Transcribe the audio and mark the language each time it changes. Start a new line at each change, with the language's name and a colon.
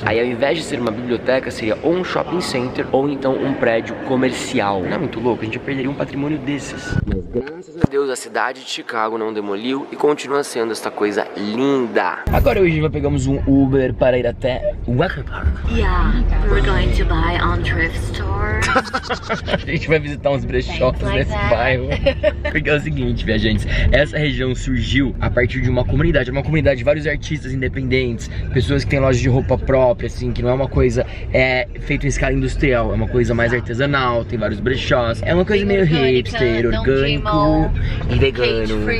Portuguese: Aí ao invés de ser uma biblioteca, seria ou um shopping center ou então um prédio comercial. Não é muito louco? A gente perderia um patrimônio desses. Mas graças a Deus a cidade de Chicago não demoliu e continua sendo esta coisa linda. Agora hoje nós pegamos um Uber para ir até o Wacker Park.
English: Yeah, we're going to buy on thrift store.
Portuguese: A gente vai visitar uns brechós like nesse bairro. Porque é o seguinte, viajantes, essa região surgiu a partir de uma comunidade de vários artistas independentes, pessoas que têm lojas de roupa própria, assim, que não é uma coisa feita em escala industrial, é uma coisa mais artesanal, tem vários brechós, é uma coisa meio hipster, orgânico, e vegano.